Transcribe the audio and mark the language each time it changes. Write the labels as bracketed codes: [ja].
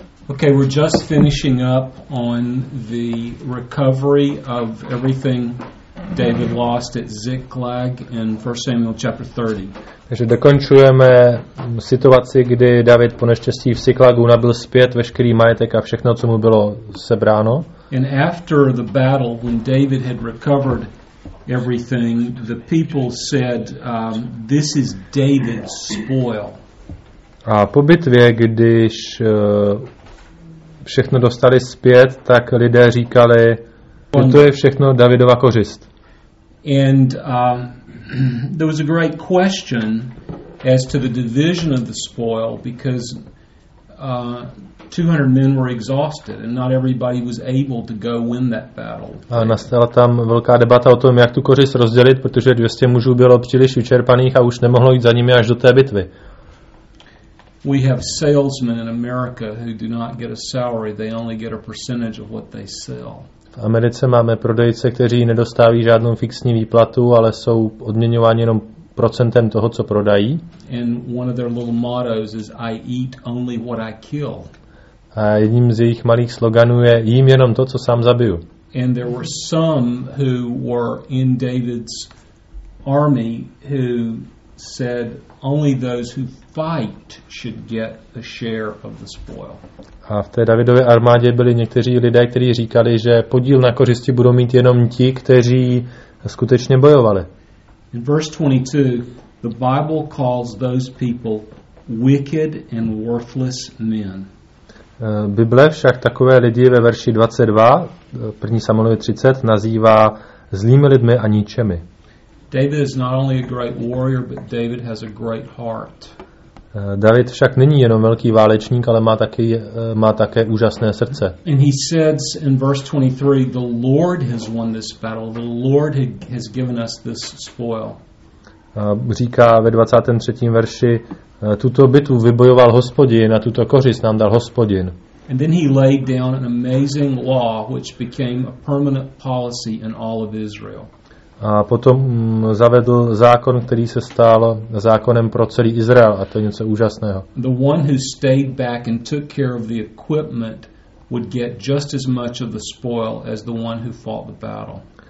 [en] Okay, we're just finishing up on the recovery of everything David lost at Ziklag in 1 Samuel chapter 30. [cs] Takže dokončujeme situaci, kdy David po neštěstí v Ziklagu nabyl zpět veškerý majetek a všechno, co mu bylo sebráno. [en] And after the battle, when David had recovered everything, the people said, this is David's spoil. [cs] A po bitvě, když všechno dostali zpět, tak lidé říkali, že to je všechno Davidova kořist. [en] And there was a great question as to the division of the spoil, because 200 men were exhausted and not everybody was able to go win that battle. [cs] A nastala tam velká debata o tom, jak tu kořist rozdělit, protože 200 mužů bylo příliš vyčerpaných a už nemohlo jít za nimi až do té bitvy. [en] We have salesmen in America who do not get a salary, they only get a percentage of what they sell. [cs] V Americe máme prodejce, kteří nedostávají žádnou fixní výplatu, ale jsou odměňováni jenom procentem toho, co prodají. [en] And one of their little mottos is I eat only what I kill. [cs] A jedním z jejich malých sloganů je jím jenom to, co sám zabiju. [en] And there were some who were in David's army who said only those who fight should get a share of the spoil. [cs] A v té Davidově armádě byli někteří lidé, kteří říkali, že podíl na kořisti budou mít jenom ti, kteří skutečně bojovali. [en] In verse 22, the Bible calls those people wicked and worthless men. [cs] Bible však takové lidi ve verši 22, 1. Samuelovi 30, nazývá zlými lidmi a ničemi. [en] David is not only a great warrior, but David has a great heart. [cs] David však není jenom velký válečník, ale má také úžasné srdce. [en] And he says in verse 23, the Lord has won this battle. The Lord has given us this spoil. [cs] Říká ve 23. verši, tuto bitvu vybojoval Hospodin a tuto kořist nám dal Hospodin. [en] And then he laid down an amazing law which became a permanent policy in all of Israel. [cs] A potom zavedl zákon, který se stal zákonem pro celý Izrael, a to je něco úžasného. [en] The one who stayed back and took care of the equipment would get just as much of the spoil as the one who fought the battle.